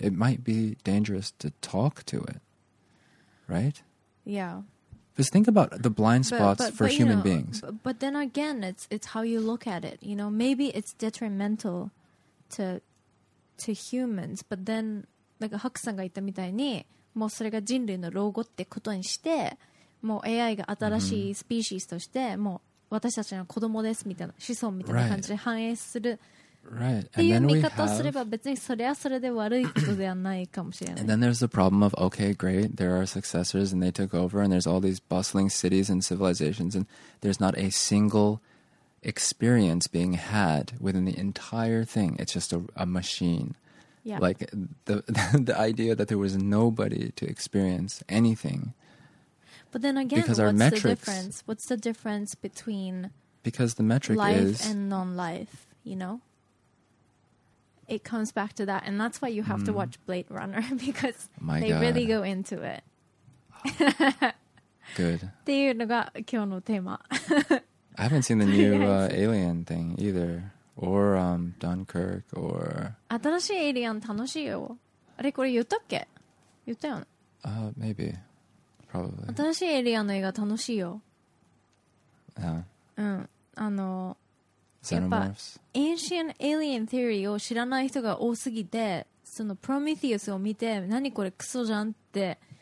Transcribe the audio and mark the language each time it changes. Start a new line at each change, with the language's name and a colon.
English: It might be dangerous to talk to it. Right? Yeah. Just think about the blind spots for human beings. But then again, it's how you look at it. You know, maybe it's detrimental to humans, but then...
Japanese: なんかハクさんが言ったみたいにもうそれが人類の老後ってことにしてもう AI が新しいスピーシーズとしてもう私たちの子供ですみたいな子孫みたいな感じで反映するっていう見方をすれば別にそれはそれで悪いことではないかもしれない
English: And then there's the problem of okay great there are successors and they took over and there's all these bustling cities and civilizations and there's not a single experience being had within the entire thing it's just a machine Yeah. Like the idea that there was nobody to experience anything. But then again, because our metrics, the difference? What's the difference between because the metric life is, and non-life, you know? It comes back to that. And that's why you have to watch Blade Runner because they、 God. Really go into it. Good.
Japanese: っていうのが今日のテーマ
English: I haven't seen the new Alien thing either. Or Dunkirk or...
Japanese: 新しいエイリアン楽しいよ。あれこれ言ったっけ言ったよね。
English: Maybe. probably.
Japanese: 新しいエリアの映画楽しいよ。
English: Yeah.
Japanese: うん。あの、
English: Xenomorphs?
Japanese: やっぱ Ancient Alien Theory を知らない人が多すぎて、そのプロメティウスを見て何これクソじゃんって、